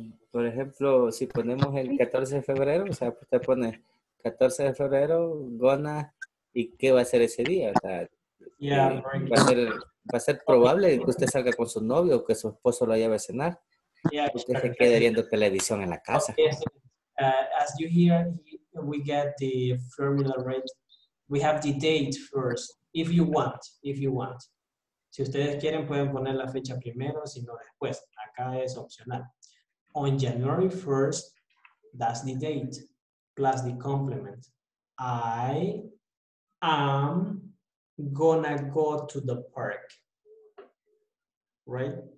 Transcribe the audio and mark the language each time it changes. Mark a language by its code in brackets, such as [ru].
[es] Por ejemplo, si ponemos el 14 de febrero, o sea, usted pone 14 de febrero, gona, ¿y qué va a hacer ese día? O sea, va a ser probable que usted salga con su novio o que su esposo lo lleve a cenar. [en] Yeah, [es] usted se quede viendo televisión en la casa. [en] Okay. As you hear, we get the formula right. We have the date first, if you want. [es] Si ustedes quieren, pueden poner la fecha primero, si no después. Acá es opcional. [en] On January 1st, that's the date, plus the complement. I am gonna go to the park, right?